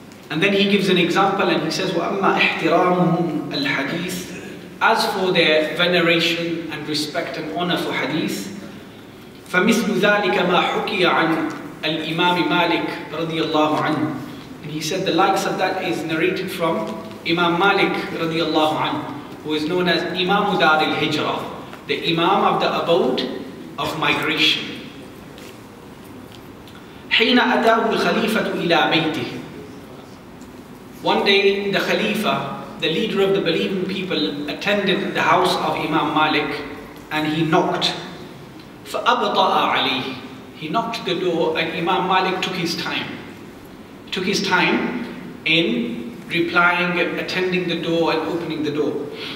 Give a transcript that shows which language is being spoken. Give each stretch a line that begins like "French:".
English: And then he gives an example and he says,
Arabic: وَأَمَّا إِحْتِرَامُهُمْ الْحَدِيثِ,
English: as for their veneration and respect and honor for hadith,
Arabic: فَمِثْلُ ذَلِكَ مَا حُكِيَ عَنْ الإمام مالك رضي الله عنه.
English: And he said the likes of that is narrated from Imam Malik رضي الله عنه, who is known as Imam Dar al-Hijra, the Imam of the abode of migration.
Arabic: حين أتاه الخليفة إلى بيته.
English: One day the Khalifa, the leader of the believing people, attended the house of Imam Malik and he knocked.
Arabic: فأبطأ عليه.
English: He knocked the door and Imam Malik took his time. Took his time in replying and attending the door and opening the door.